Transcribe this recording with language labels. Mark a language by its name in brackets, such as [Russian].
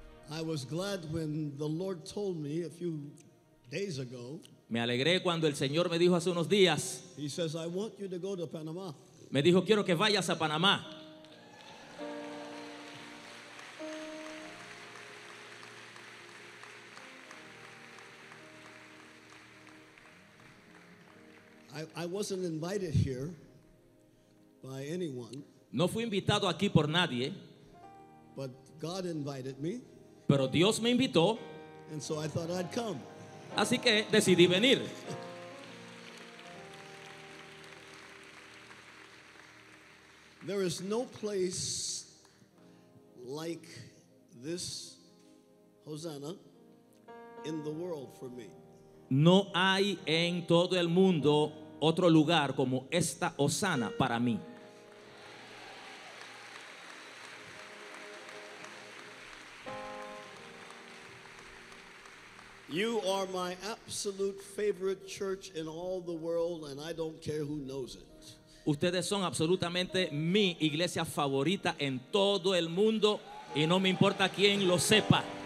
[English] I was glad when the Lord told me a few days ago. [Spanish] Me alegré cuando el Señor me dijo hace unos días. [English] He says, I want you to go to Panama. [Spanish] Me dijo, quiero que vayas a Panamá. [English] I wasn't invited here by anyone. [Spanish] No fui invitado aquí por nadie. [English] But God invited me. [Spanish] Pero Dios me invitó. [English] And so I thought I'd come. [Spanish] Así que decidí venir. [English] There is no place like this, Hosanna, in the world for me. [Spanish] No hay en todo el mundo otro lugar como esta Hosanna para mí. [English] You are my absolute favorite church in all the world, and I don't care who knows it. [Spanish] Ustedes son absolutamente mi iglesia favorita en todo el mundo, y no me importa quién lo sepa.